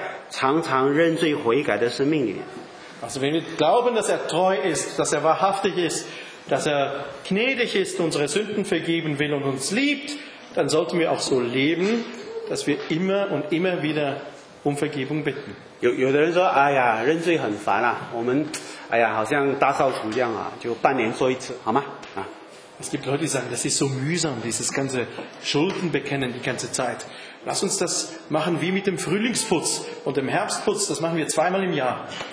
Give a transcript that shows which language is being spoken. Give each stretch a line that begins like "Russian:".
Chinese: 所以我们如果相信上帝，他的救恩是完美的，他愿意赦罪，就让我们活在常常认罪悔改的生命里面。
German: Also wenn wir glauben, dass er treu ist, dass er wahrhaftig ist, dass er gnädig ist, unsere Sünden vergeben will und uns liebt, dann sollten wir auch so leben, dass wir immer und immer wieder um Vergebung bitten.
Chinese: 有的人说，哎呀，认罪很烦啊，我们，哎呀，好像大扫除一样啊，就半年做一次，好吗？
German: Es gibt Leute, die sagen, das ist so mühsam, dieses ganze Schuldenbekennen die ganze Zeit. Lass uns das machen wie mit dem Frühlingsputz und dem Herbstputz, das machen wir zweimal im Jahr.